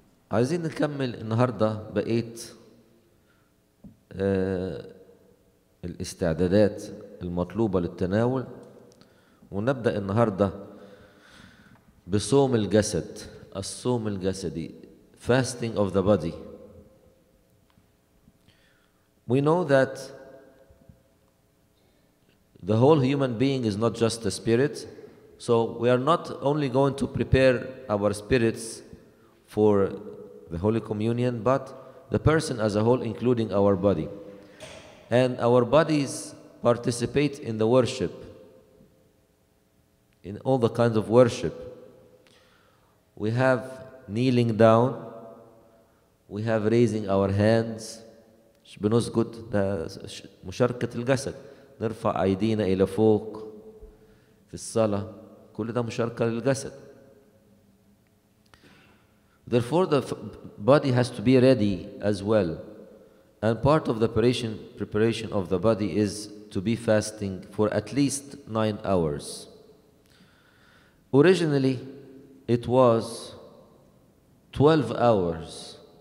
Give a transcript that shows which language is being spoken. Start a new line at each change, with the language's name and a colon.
Arabic: عايزين نكمل النهارده بقيت الاستعدادات المطلوبة للتناول، ونبدأ النهارده بصوم الجسد، الصوم الجسدي،
English: fasting of the body. We know that the whole human being is not just a spirit, so we are not only going to prepare our spirits for the Holy Communion, but the person as a whole, including our body. And our bodies participate in the worship, in all the kinds of worship. We have kneeling down, we have raising our hands.
Arabic: بنسجد، ده مشاركة الجسد، نرفع أيدينا إلى فوق في الصلاة، كل ده مشاركة للجسد.
English: Therefore the body has to be ready as well. And part of the preparation of the body is to be fasting for at least 9 hours. Originally, it was 12 hours.